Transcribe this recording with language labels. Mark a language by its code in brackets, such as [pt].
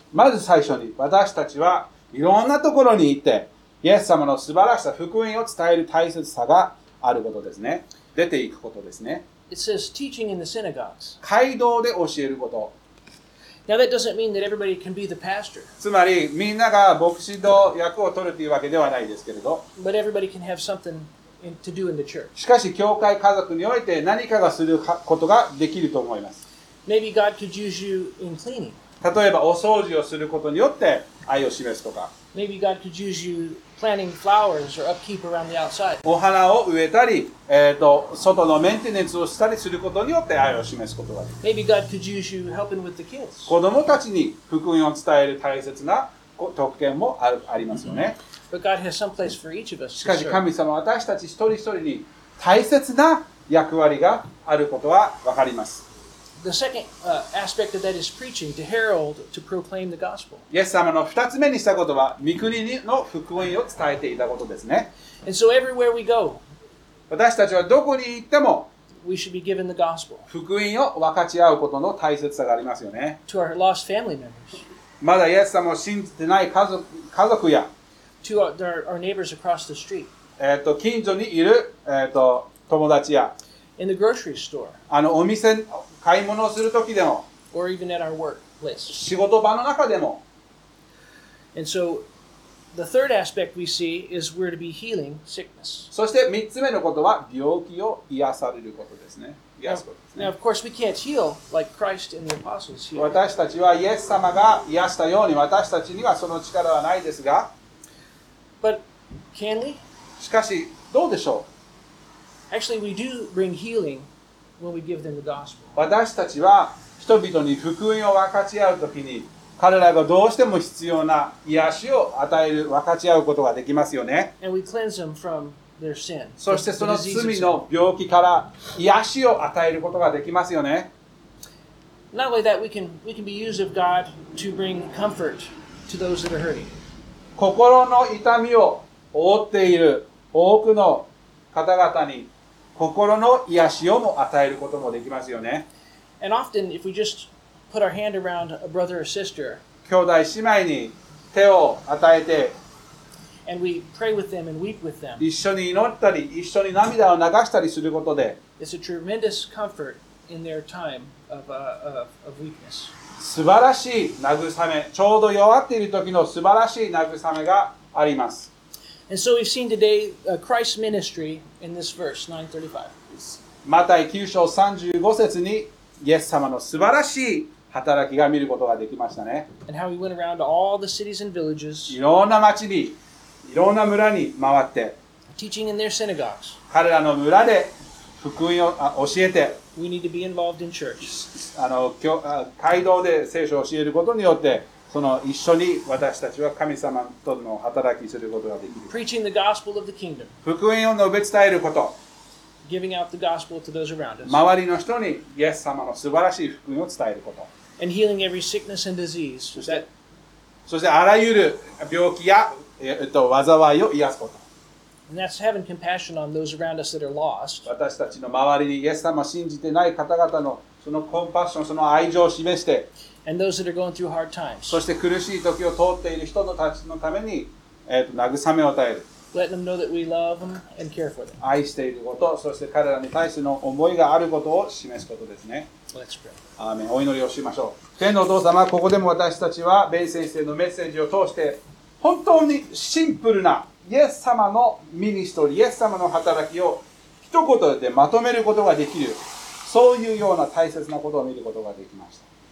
[ja] まず最初に私たちはいろんなところに行って、イエス様の素晴らしさ、福音を伝える大切さがあることですね。出ていくことですね。 [en] It says teaching in the synagogues. [ja] 街道で教えること。 [en] Now that doesn't mean that everybody can be the pastor. [ja] つまり、みんなが牧師の役を取るというわけではないですけれど。 [en] But everybody can have something to do in the church. [ja] しかし、教会家族において何かがすることができると思います。 [en] Maybe God could use you in cleaning. [ja] 例えば、お掃除をすることによって愛を示すとか。 [en] Maybe God could use you planting flowers or upkeep around the outside. [ja] お花を植えたり、外のメンテナンスをしたりすることによって愛を示すことができる。 [en] Maybe God could use you helping with the kids. [ja] 子供たちに福音を伝える大切な特権もありますよね。 [en] But God has some place for each of us. [ja] しかし神様は私たち一人一人に大切な役割があることはわかります。 [en] The second aspect of that is preaching, to herald, to proclaim the gospel. [ja] イエス様の二つ目にしたことは、御国の福音を伝えていたことですね。 [en] And so everywhere we go, [ja] 私たちはどこに行っても、 [en] we should be given the gospel. [ja] 福音を分かち合うことの大切さがありますよね。 [en] To our lost family members. [ja] まだイエス様を信じてない家族や、 [en] to our neighbors across the street. [ja] 近所にいる友達や、 [en] in the grocery store. [ja] お店、買い物をするときでも、 [en] or even at our workplace. [ja] 仕事場の中でも、 [en] And so, the third aspect we see is we're to be healing sickness. [ja] そして三つ目のことは病気を癒されることですね。 [en] Now, of course, we can't heal like Christ and the apostles here. [ja] 私たちはイエス様が癒したように私たちにはその力はないですが。 [en] But can we? [ja] しかしどうでしょう。 [en] Actually, we do bring healing when we give them the gospel. [ja] 私たちは人々に福音を分かち合うときに彼らがどうしても必要な癒しを与える分かち合うことができますよね。 [en] And we cleanse them from their sin. [ja] そしてその罪の病気から癒しを与えることができますよね。 [en] Not only that, we can be used of God to bring comfort to those that are hurting. [ja] 心の痛みを負っている多くの方々に心の癒しをも与えることもできますよね。 [en] And often, if we just put our hand around a brother or sister, [ja] 兄弟姉妹に手を与えて、 [en] and we pray with them and weep with them, [ja] 一緒に祈ったり、一緒に涙を流したりすることで、 [en] it's a tremendous comfort in their time of weakness. [ja] 素晴らしい慰め、ちょうど弱っている時の素晴らしい慰めがあります。 [en] And so we've seen today Christ's ministry in this verse, 9:35. [ja] マタイ9章35節にイエス様の素晴らしい働きが見ることができましたね。 [en] And how he went around all the cities and villages. [ja] いろんな町に、いろんな村に回って。 [en] Teaching in their synagogues. [ja] 彼らの村で福音を教えて。 [en] We need to be involved in church. [ja] 街道で聖書を教えることによって、その一緒に私たちは神様との働きすることができる。 [en] Preaching the gospel of the kingdom. [ja] 福音を述べ伝えること。 [en] Giving out the gospel to those around us. [ja] 周りの人にイエス様の素晴らしい福音を伝えること。 [en] And healing every sickness and disease. [ja] そしてあらゆる病気や災いを癒すこと。 [en] And that's having compassion on those around us that are lost. [ja] 私たちの周りにイエス様を信じてない方々のそのコンパッション、その愛情を示して。 [en] And those that are going through hard times. [ja] そして苦しい時を通っている人たちのために、慰めを与える。 [en] Letting them know that we love them and care for them. [ja] 愛していること、そして彼らに対しての思いがあることを示すことですね。 [en] Let's pray. [ja] アーメン。お祈りをしましょう。天のお父様、ここでも私たちはベン先生のメッセージを通して、本当にシンプルなイエス様のミニストリー、イエス様の働きを一言でまとめることができる、そういうような大切なことを見ることができました。